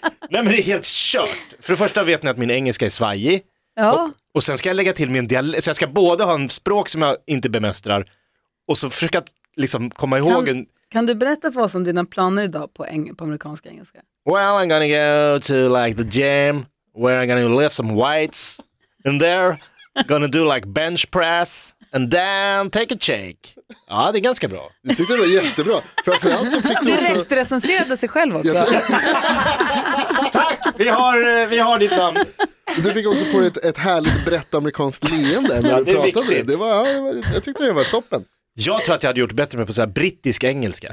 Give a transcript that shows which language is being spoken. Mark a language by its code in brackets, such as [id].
[sv] Nej, men det är helt kört. För det första vet ni att min engelska är svajig. Ja. Och sen ska jag lägga till min dialekt. Så jag ska både ha en språk som jag inte bemästrar och så försöka liksom komma ihåg. Kan du berätta för oss om dina planer idag på amerikanska engelska? [en] Well, I'm gonna go to like the gym where I'm gonna lift some weights and there gonna do like bench press and then take a shake. [sv] Ja, det är ganska bra. Jag tyckte det var jättebra. Framförallt så fick du direkt också recenserade sig själv också. Tack, vi har ditt namn. Du fick också på ett härligt brett amerikanskt leende när du pratade. Viktigt. Det var, jag tyckte det var toppen. Jag tror att jag hade gjort bättre med på så här brittisk engelska.